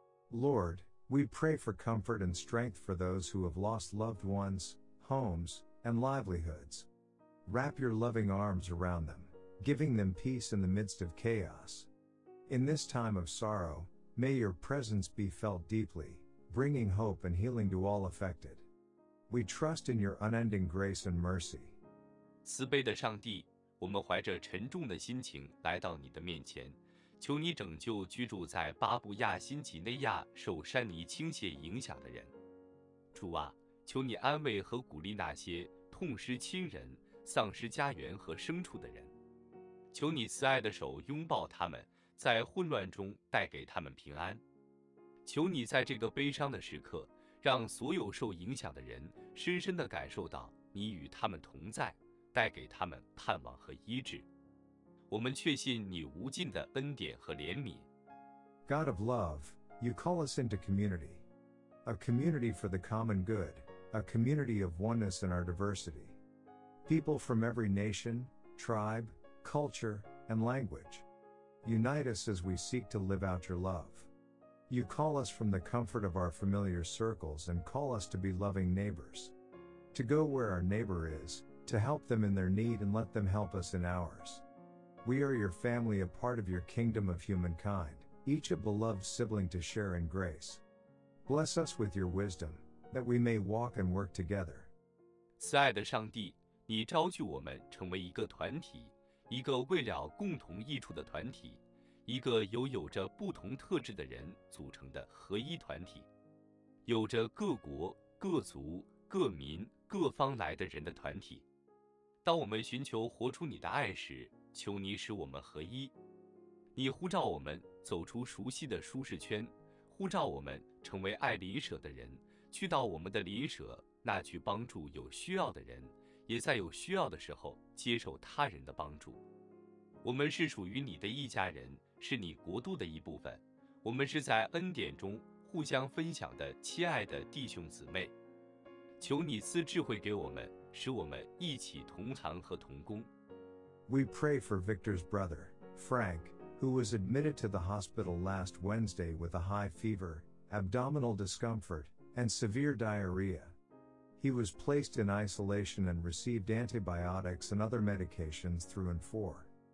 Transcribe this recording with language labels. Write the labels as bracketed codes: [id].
[en] Lord, we pray for comfort and strength for those who have lost loved ones, homes, and livelihoods. Wrap your loving arms around them, giving them peace in the midst of chaos. In this time of sorrow, may your presence be felt deeply, bringing hope and healing to all affected. We trust in your unending grace and mercy. [zh] 慈悲的上帝，我们怀着沉重的心情来到你的面前，求你拯救居住在巴布亚新几内亚受山泥倾泻影响的人。主啊，求你安慰和鼓励那些痛失亲人、丧失家园和牲畜的人。求你慈爱的手拥抱他们，在混乱中带给他们平安。求你在这个悲伤的时刻，让所有受影响的人深深地感受到你与他们同在，带给他们盼望和医治。我们确信你无尽的恩典和怜悯。 [en] God of love, you call us into community. A community for the common good, a community of oneness in our diversity. People from every nation, tribe, culture, and language. Unite us as we seek to live out your love. You call us from the comfort of our familiar circles and call us to be loving neighbors. To go where our neighbor is, to help them in their need and let them help us in ours. We are your family, a part of your kingdom of humankind, each a beloved sibling to share in grace. Bless us with your wisdom, that we may walk and work together. [zh] 慈爱的上帝，你召聚我们成为一个团体，一个为了共同益处的团体，一个由有着不同特质的人组成的合一团体，有着各国、各族、各民、各方来的人的团体。当我们寻求活出你的爱时，求你使我们合一。你呼召我们走出熟悉的舒适圈，呼召我们成为爱邻舍的人，去到我们的邻舍那去帮助有需要的人，也在有需要的时候接受他人的帮助。我们是属于你的一家人，是你国度的一部分，我们是在恩典中互相分享的亲爱的弟兄姊妹。求你赐智慧给我们，使我们一起同行和同工。 [en] We pray for Victor's brother, Frank, who was admitted to the hospital last Wednesday with a high fever, abdominal discomfort, and severe diarrhea. He was placed in isolation and received antibiotics and other medications through and for.